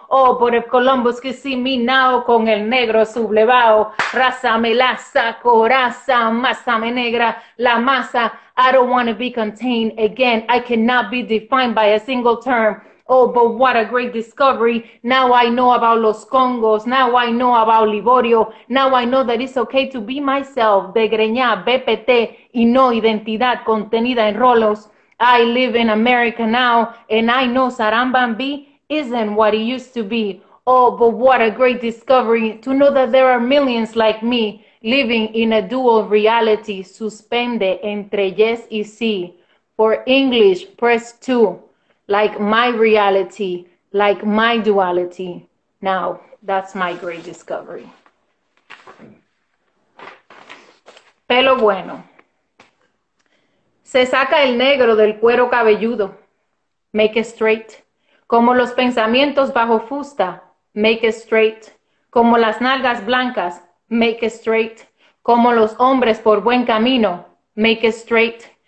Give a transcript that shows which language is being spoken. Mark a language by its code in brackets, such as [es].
[en] Oh, but if Columbus could see me now [es] con el negro sublevado, raza melaza, coraza, masa me negra, la masa, [en] I don't want to be contained again. I cannot be defined by a single term. Oh, but what a great discovery. Now I know about Los Congos. Now I know about Liborio. Now I know that it's okay to be myself. [es] De greña, BPT, y no identidad contenida en rolos. [en] I live in America now, and I know Sarambambi isn't what it used to be. Oh, but what a great discovery to know that there are millions like me living in a dual reality suspended entre yes y sí. For English, press 2, like my reality, like my duality. Now, that's my great discovery. [es] Pelo bueno. Se saca el negro del cuero cabelludo. [en] Make it straight. [es] Como los pensamientos bajo fusta. [en] Make it straight. [es] Como las nalgas blancas. [en] Make it straight. [es] Como los hombres por buen camino. Make it straight.